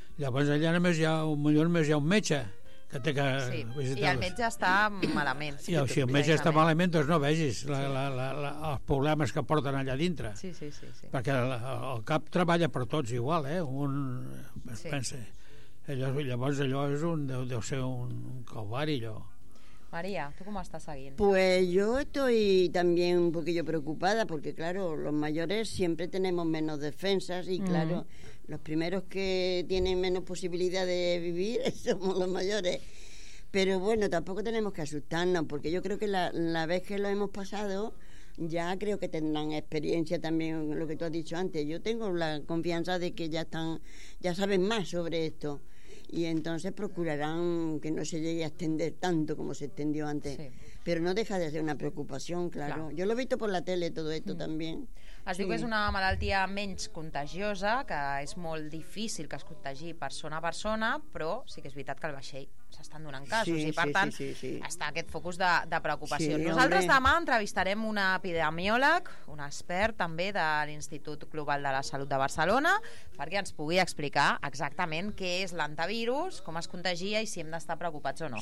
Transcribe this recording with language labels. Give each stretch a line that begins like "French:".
Catalan: Llavors allà només hi ha un metge. Que té que visitar-los. I el metge està malament. Si sí, el metge està malament, doncs no vegis els problemes que porten allà dintre. Sí, sí, sí, sí. Perquè el cap treballa per tots igual, Un, es pensa. Llavors allò és deu ser un covard, allò.
Spanish: María, ¿tú cómo estás seguint? Pues yo estoy también un poquillo preocupada, porque claro, los mayores siempre tenemos menos defensas y claro, los primeros que tienen menos posibilidad de vivir somos los mayores. Pero bueno, tampoco tenemos que asustarnos, porque yo creo que la vez que lo hemos pasado, ya creo que tendrán experiencia también en lo que tú has dicho antes. Yo tengo la confianza de que ya están, ya saben más sobre esto, y entonces procurarán que no se llegue a extender tanto como se extendió antes. Sí. Pero no deja de ser una preocupación, claro. Yo lo he visto por la tele todo esto también.
Catalan: Es diu que és una malaltia menys contagiosa, que és molt difícil que es contagi persona a persona, però sí que és veritat que el vaixell s'estan donant casos, sí, i per tant està aquest focus de preocupació. Sí, nosaltres demà entrevistarem un epidemiòleg, un expert també de l'Institut Global de la Salut de Barcelona, perquè ens pugui explicar exactament què és l'antivirus, com es contagia i si hem d'estar preocupats o no.